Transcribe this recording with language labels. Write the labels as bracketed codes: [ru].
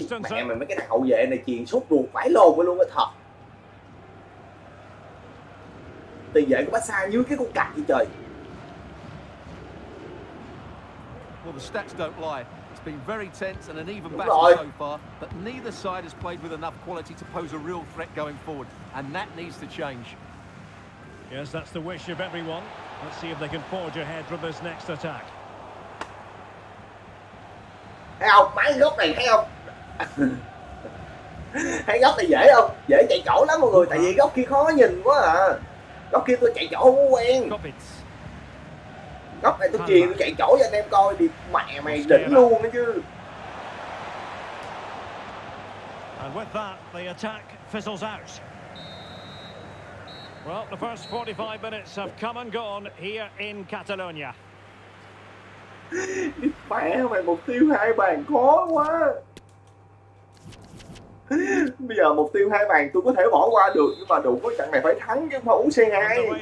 [vi] Mẹ mày, mấy cái hậu vệ này chuyền sút ruột phải lồn luôn á, thật. Tiền vệ của Barca như cái con cặc gì trời. [en] Well, the stats don't lie. It's been very tense and an even battle so far, but neither side has played with enough quality to pose a real threat going forward, and that needs to change. Yes, that's the wish of everyone. Let's see if they can forge ahead from this next attack. [vi] Thấy không? Máy góc này thấy không? Thấy góc này dễ không? Dễ chạy chỗ lắm mọi người, tại vì góc kia khó nhìn quá à. Góc kia tôi chạy chỗ không quen. Góc này tôi chuyền, tôi chạy chỗ cho anh em coi, đi mẹ mày, mày đỉnh luôn đó chứ. [en] And with that, the attack fizzles out. Well, the first 45 minutes have come and gone here in Catalonia. [vi] Mẹ mày, mục tiêu hai bàn khó quá. Bây giờ mục tiêu hai bàn tôi có thể bỏ qua được, nhưng mà đủ với trận này phải thắng chứ không phải uống xe hai.